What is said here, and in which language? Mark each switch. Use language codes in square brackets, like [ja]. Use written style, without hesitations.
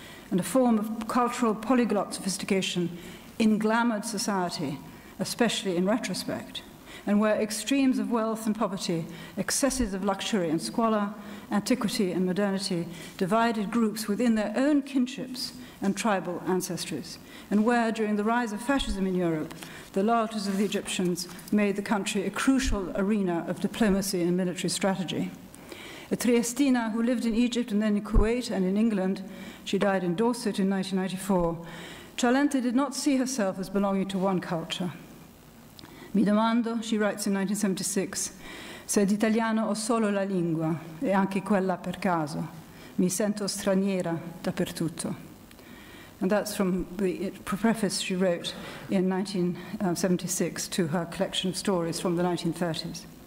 [en] and a form of cultural polyglot sophistication in glamoured society, especially in retrospect, and where extremes of wealth and poverty, excesses of luxury and squalor, antiquity and modernity divided groups within their own kinships and tribal ancestries, and where, during the rise of fascism in Europe, the loyalties of the Egyptians made the country a crucial arena of diplomacy and military strategy. A Triestina who lived in Egypt and then in Kuwait and in England, she died in Dorset in 1994, Celente did not see herself as belonging to one culture. [it] Mi domando, she writes in 1976, se d'italiano ho solo la lingua, e anche quella per caso. Mi sento straniera dappertutto. [en] And that's from the preface she wrote in 1976 to her collection of stories from the 1930s.